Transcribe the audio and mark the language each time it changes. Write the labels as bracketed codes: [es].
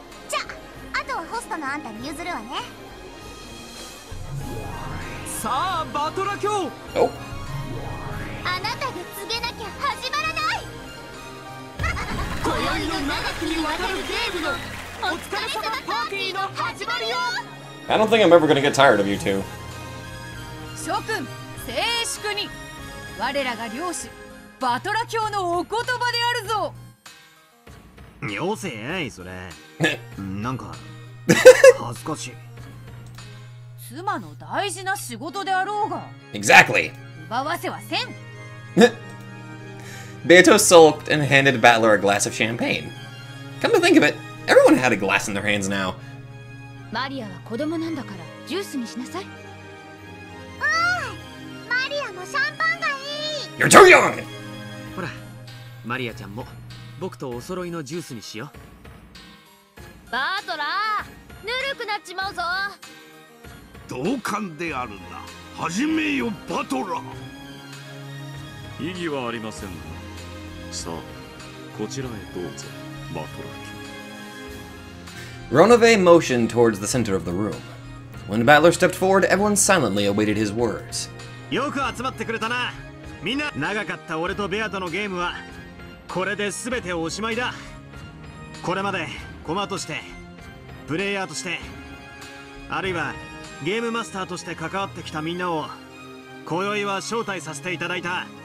[ja] じゃあとはホストのあんたに譲るわね。さあバトラ卿、あなたで告げなきゃ始まらない。今宵の長きにわたるゲームのお疲れ様パーティーの始まりよ。 [en] I don't think I'm ever gonna get tired of you two. [ja] 諸君静粛に。我らが領主バトラ卿のお言葉であるぞ。よせえいそれ。なんか恥ずかしい。妻の大事な仕事であろうが。 [en] Exactly. [ja] 奪わせはせん。 [en] Beato sulked and handed Battler a glass of champagne. Come to think of it, everyone had a glass in their hands now. [ja] マリアは子供なんだからジュースにしなさい。うん。マリアもシャンパンがいい。 [en] You're too young. [ja] ほら、マリアちゃんも僕とお揃いのジュースにしよう。バートラー、ぬるくなっちまうぞ。同感であるな。始めよ、バトラー。 意義はありませんが。さあ、こちらへどうぞ、バトラー。 [en] Ronove motioned towards the center of the room. When Battler stepped forward, everyone silently awaited his words. [ja] よく集まってくれたな。みんな、長かった俺とベアトのゲームは、これで全ておしまいだ。これまで、コマとして、プレイヤーとして、あるいは、ゲームマスターとして関わってきたみんなを今宵は招待させていただいた。